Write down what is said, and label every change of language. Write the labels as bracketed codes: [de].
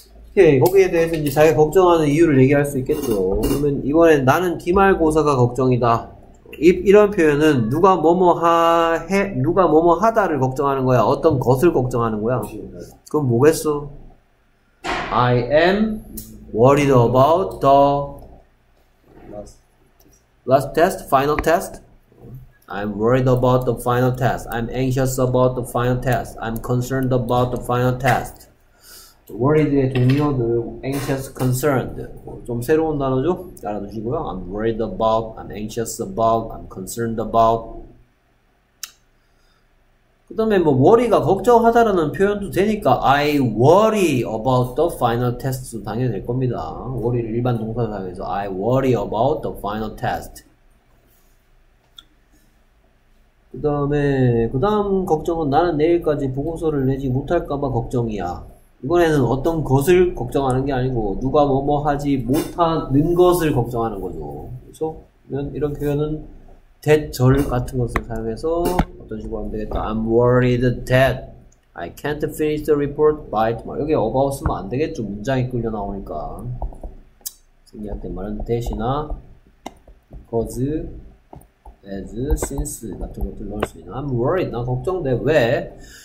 [ko] 오케이, 거기에 대해서 이제 자기가 걱정하는 이유를 얘기할 수 있겠죠. 그러면 이번엔 나는 기말고사가 걱정이다. 이런 표현은 누가 뭐뭐 해 누가 뭐뭐 하다를 걱정하는 거야? 어떤 것을 걱정하는 거야? 그건 뭐겠어? [en] I am worried about the last test, final test. I'm worried about the final test. I'm anxious about the final test. I'm concerned about the final test. Worried의 동의어들, anxious, concerned. [ko] 좀 새로운 단어죠? 알아두시고요. [en] I'm worried about, I'm anxious about, I'm concerned about. [ko] 그 다음에 뭐 worry가 걱정하다라는 표현도 되니까 [en] I worry about the final test [ko] 당연히 될 겁니다. [en] worry를 [ko] 일반 동사 사용해서 [en] I worry about the final test. [ko] 그 다음 걱정은 나는 내일까지 보고서를 내지 못할까봐 걱정이야. 이번에는 어떤 것을 걱정하는 게 아니고 누가 뭐뭐 하지 못하는 것을 걱정하는 거죠. 그래서 이런 표현은 that 절 같은 것을 사용해서 어떤 식으로 하면 되겠다. [en] I'm worried that I can't finish the report by tomorrow. [ko] 여기 about 쓰면 안 되겠죠. 문장이 끌려 나오니까. 생략된 말은 that이나 because, as, since 같은 것들 넣을 수 있는. [en] I'm worried. [ko] 난 걱정돼. 왜?